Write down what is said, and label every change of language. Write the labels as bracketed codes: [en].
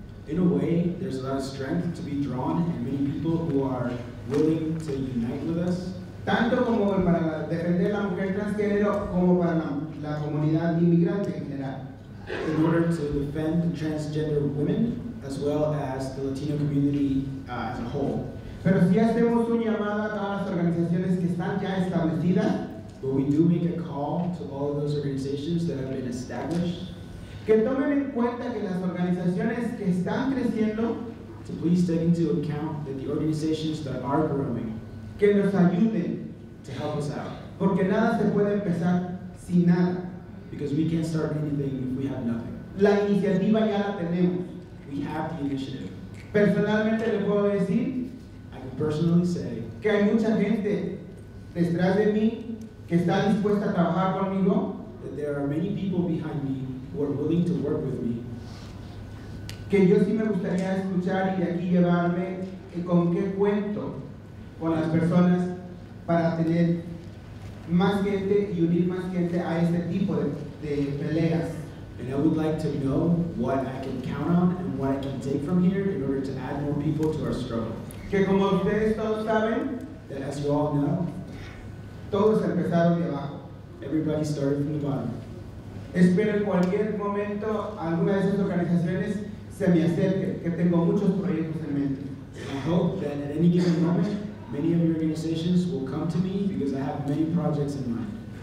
[en] In a way, there's a lot of strength to be drawn and many people who are willing to unite with us. [es] Tanto como para defender la mujer transgénero como para la comunidad inmigrante en general. [en] In order to defend the transgender women as well as the Latino community as a whole. [es] Pero si hacemos un llamado a todas las organizaciones que están ya establecidas, [en] but we do make a call to all of those organizations that have been established, [es] que tomen en cuenta que las organizaciones que están creciendo, [en] to please take into account that the organizations that are growing, [es] que nos ayuden, [en] to help us out, [es] porque nada se puede empezar sin nada, [en] because we can't start anything if we have nothing. [es] La iniciativa ya la tenemos. [en] We have the initiative. [es] Personalmente le puedo decir, [en] personally say, [es] que hay mucha gente detrás de mí que está dispuesta a trabajar conmigo, [en] that there are many people behind me who are willing to work with me, [es] que yo sí me gustaría escuchar y de aquí llevarme con qué cuento con las personas para tener más gente y unir más gente a este tipo de peleas. [en] And I would like to know what I can count on and what I can take from here in order to add more people to our struggle. [es] Que como ustedes todos saben, [en] that as you all know, [es] todos empezaron de abajo. [en] Everybody started from the bottom. [es] Espero en cualquier momento alguna de esas organizaciones se me acerque, que tengo muchos proyectos en mente. [en] I hope that at any given moment, many of your organizations will come to me because I have many projects in mind.